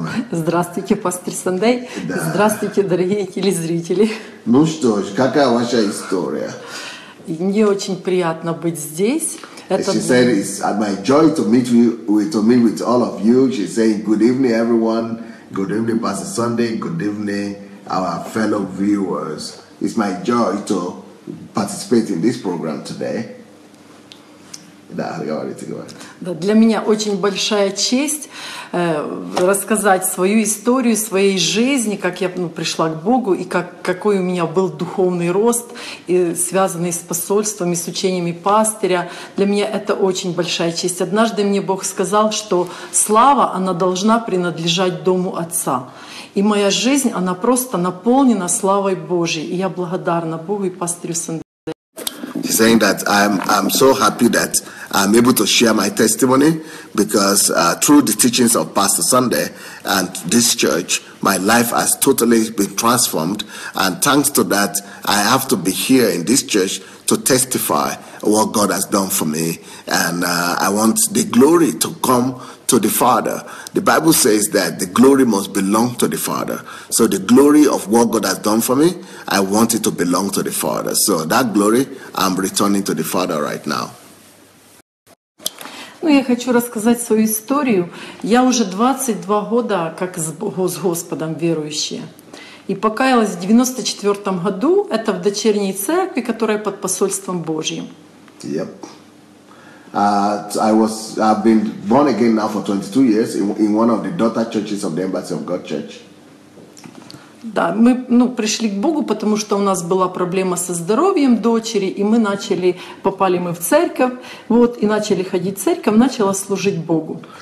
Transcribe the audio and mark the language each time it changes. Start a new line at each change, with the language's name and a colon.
Russian: Здравствуйте, пастор Сандей. Здравствуйте, дорогие телезрители. Ну что ж, какая ваша история? Мне очень приятно быть здесь.
English: She said, "It's my joy to meet with all of you." She said, "Good evening, everyone. Good evening, Pastor Sunday. Good evening, our fellow viewers. It's my joy to participate in this program today."
Russian: Да, для меня очень большая честь рассказать свою историю, своей жизни, как я пришла к Богу и какой у меня был духовный рост, и связанный с посольством и с учениями пастыря. Для меня это очень большая честь. Однажды мне Бог сказал, что слава, она должна принадлежать дому Отца. И моя жизнь, она просто наполнена славой Божьей. И я благодарна Богу и пастырю Сандею.
English: She's saying that I'm so happy that I'm able to share my testimony because through the teachings of Pastor Sunday and this church, my life has totally been transformed. And thanks to that, I have to be here in this church to testify what God has done for me. And I want the glory to come to the Father. The Bible says that the glory must belong to the Father. So the glory of what God has done for me, I want it to belong to the Father. So that glory, I'm returning to the Father right now.
Russian: Ну, я хочу рассказать свою историю. Я уже 22 года как с Господом верующая. И покаялась в 94 году, это в дочерней церкви, которая под посольством Божьим.
English: Yep. I've been born again now for 22 years in one of the daughter churches of the Embassy of God Church.
Russian: Да, мы пришли к Богу, потому что у нас была проблема со здоровьем дочери, и мы попали в церковь, и начали ходить в церковь, начала служить Богу.